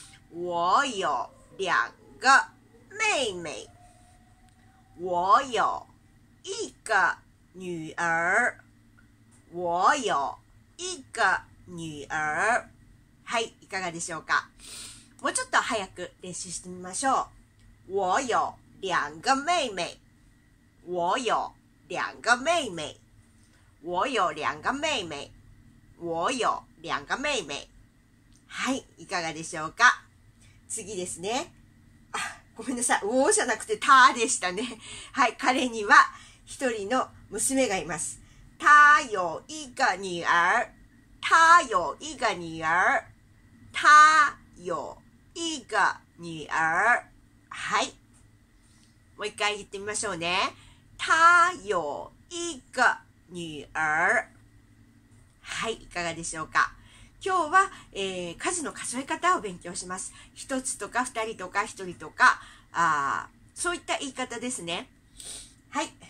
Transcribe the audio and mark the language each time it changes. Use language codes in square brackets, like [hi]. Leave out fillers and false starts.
[zh] 我有两个妹妹。我有一个女儿。我有一个女儿。 [ja] はい、いかがでしょうか。もうちょっと早く練習してみましょう。 [zh] 我有两个妹妹，我有两个妹妹，我有两个妹妹，我有两个妹妹。 [ja] はい、いかがでしょうか。次ですね。あ、ごめんなさい、我じゃなくてたでしたね。はい、彼には一人の娘がいます。 [zh] 他有一个女儿，他有一个女儿，他有一个女儿。 [ja] はい。もう一回言ってみましょうね。 [zh] 他有一个女儿。 [ja] はい、いかがでしょうか。今日は、数の数え方を勉強します。一つとか二人とか一人とか、そういった言い方ですね。はい。